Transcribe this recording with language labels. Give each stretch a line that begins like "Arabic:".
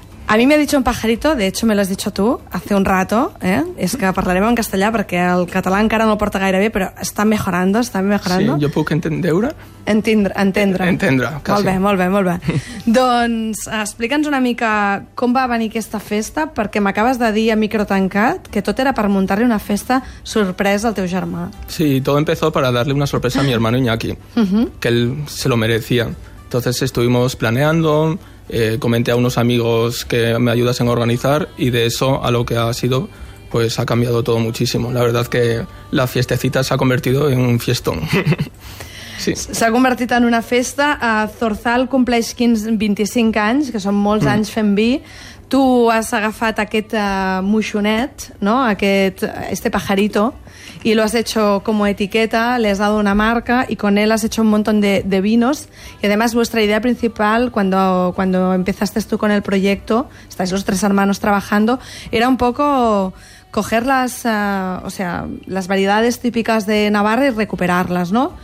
Catalan: A mi m'ha dit un pajarito,
Spanish: de hecho me lo has dicho tú hace un rato,
Catalan: es que parlarem en castellà perquè el català encara no el porta gaire bé, però està mejorando. Sí, jo puc entendre. Entendre, quasi. Molt bé. Doncs explica'ns una mica com va venir aquesta festa, perquè m'acabes de dir a micro tancat que tot era per muntar-li una festa sorpresa al teu germà.
Spanish: Sí, todo empezó para darle una sorpresa a mi hermano Iñaki, que él se lo merecía. Entonces estuvimos planeando... comenté a unos amigos que me ayudasen a organizar, y de eso a lo que ha sido, pues ha cambiado todo muchísimo. La verdad que la fiestecita se ha convertido en un fiestón. Sí.
Catalan: S'ha convertit en una festa. Zorzal compleix 25 anys, que són molts anys fent vi. Tu has agafat aquest moixonet, no?
Spanish: Este pajarito, y lo has hecho como etiqueta, le has dado una marca y con él has hecho un montón de vinos. Y además vuestra idea principal cuando empezaste tú con el proyecto, estáis los tres hermanos trabajando, era un poco coger las variedades típicas de Navarra y recuperarlas, ¿no?